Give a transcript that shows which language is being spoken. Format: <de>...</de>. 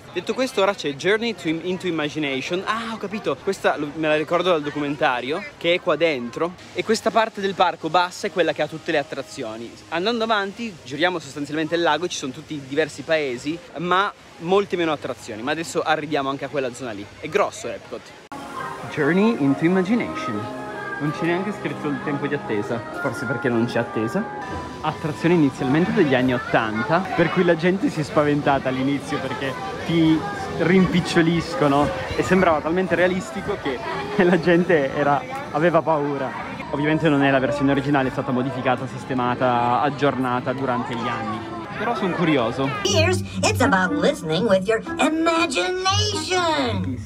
<it>Detto questo, ora c'è Journey into Imagination. Ah, ho capito, questa me la ricordo dal documentario, che è qua dentro. E questa parte del parco bassa è quella che ha tutte le attrazioni. Andando avanti, giriamo sostanzialmente il lago, ci sono tutti i diversi paesi, ma molte meno attrazioni. Ma adesso arriviamo anche a quella zona lì. È grosso Epcot. Journey into Imagination. Non c'è neanche scritto il tempo di attesa, forse perché non c'è attesa. Attrazione inizialmente degli anni 80, per cui la gente si è spaventata all'inizio perché ti rimpiccioliscono e sembrava talmente realistico che la gente aveva paura. Ovviamente non è la versione originale, è stata modificata, sistemata, aggiornata durante gli anni. Però sono curioso.</it> <en>Here's, it's about listening with your imagination.</en>